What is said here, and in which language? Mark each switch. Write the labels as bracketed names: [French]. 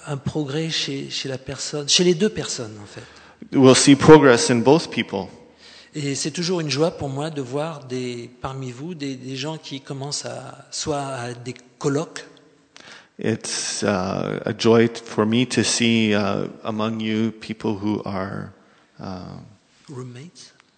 [French] un progrès chez la personne, chez les deux personnes en fait. [English] We'll see progress in both people. [French] Et c'est toujours une joie pour moi de voir parmi vous des gens qui commencent à des colloques. [English] It's a joy for me to see among you people who are roommates.